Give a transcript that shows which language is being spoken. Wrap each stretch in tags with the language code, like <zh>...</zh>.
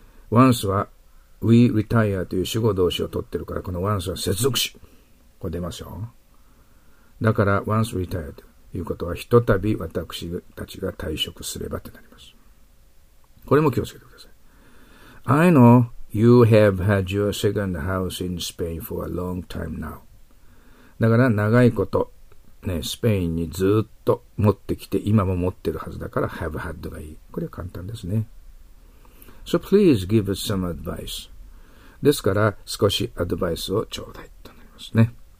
<ja>once は we retire という主語動詞を取ってるから、この once は接続詞。これ出ますよ。だから once retire ということは、ひとたび私たちが退職すればってなります。これも気をつけてください。</ja> <en>I know you have had your second house in Spain for a long time now.</en> <ja>だから長いこと、ね、スペインにずっと持ってきて、今も持ってるはずだから、have had がいい。</ja> <en>これは簡単ですね。 So please give us some advice.</en> <ja>ですから、少しアドバイスをちょうだいとなりますね。</ja>